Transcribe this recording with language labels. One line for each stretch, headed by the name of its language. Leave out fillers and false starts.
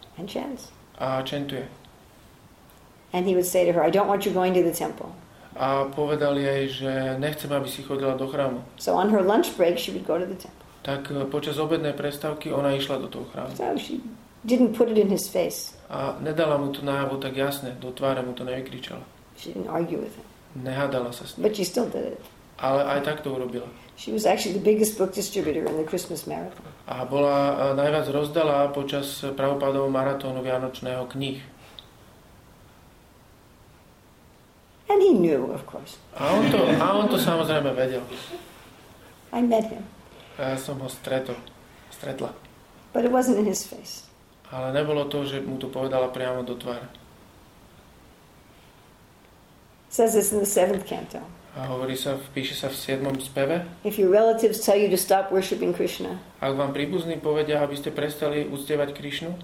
English: And chants.
Slovak: A chantuje.
English: And he would say to her, I don't want you going to the temple.
Slovak: A povedal jej, že nechcem, aby si chodila do chrámu.
English: So on her lunch break she would go to the temple.
Slovak: Tak počas obednej prestávky ona išla do toho chrámu.
English: So she didn't put it in his face.
Slovak: A nedala mu to najavo tak jasne, do tváre mu to nevykričala.
English: She didn't argue with him.
Slovak: Nehádala sa s ním.
English: But she still did it.
Slovak: Ale aj tak to urobila.
English: She was actually the biggest book distributor in the Christmas marathon.
Slovak: A bola najviac rozdala počas Prabhupádovho maratónu vianočného kníh.
English: And he knew, of course.
Slovak: A on to samozrejme vedel.
English: I met him.
Slovak: A ja som ho stretla.
English: But it wasn't in his face.
Slovak: Ale nebolo to, že mu to povedala priamo do tváre.
English: Says this in the seventh canto.
Slovak: A hovorí sa, píše sa v siedmom speve.
English: If your relatives tell you to stop worshiping Krishna.
Slovak: Ak vám príbuzní povedia, aby ste prestali uctievať Krishnu.